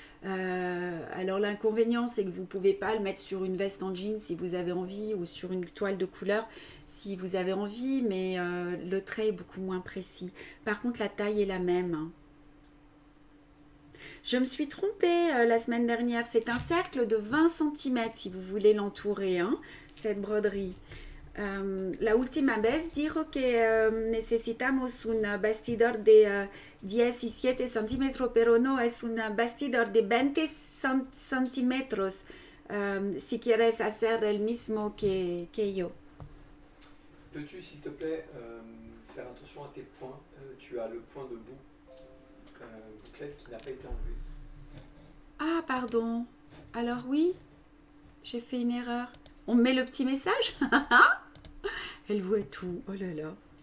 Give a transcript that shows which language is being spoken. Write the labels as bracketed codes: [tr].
[fr] alors l'inconvénient, c'est que vous ne pouvez pas le mettre sur une veste en jean si vous avez envie, ou sur une toile de couleur si vous avez envie, mais le trait est beaucoup moins précis. Par contre, la taille est la même. Je me suis trompée la semaine dernière. C'est un cercle de 20 cm si vous voulez l'entourer, hein, cette broderie. [es] La última vez dijo que necesitamos un bastidor de 17 cm, pero no es un bastidor de 20 cm si quieres hacer el mismo que yo. [fr] Peux-tu, s'il te plaît, faire attention à tes points? Tu as le point de bout, bouclette qui n'a pas été enlevé. Ah, pardon. Alors oui, j'ai fait une erreur. On met le petit message? Elle voit tout, oh là là.